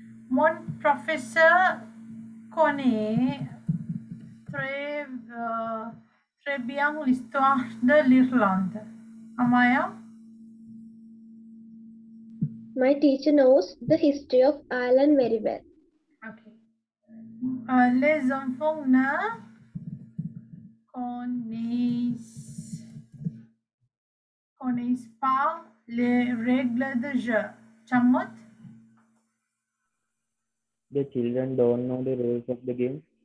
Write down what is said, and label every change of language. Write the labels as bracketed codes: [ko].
[fr] Mon professeur connaît très bien l'histoire de l'Irlande. Amaya? [en] My teacher knows the history of Ireland very well. Okay. [fr] Les enfants ne connaissent pas les règles de jeu. Chamot? [en] The children don't know the rules of the game.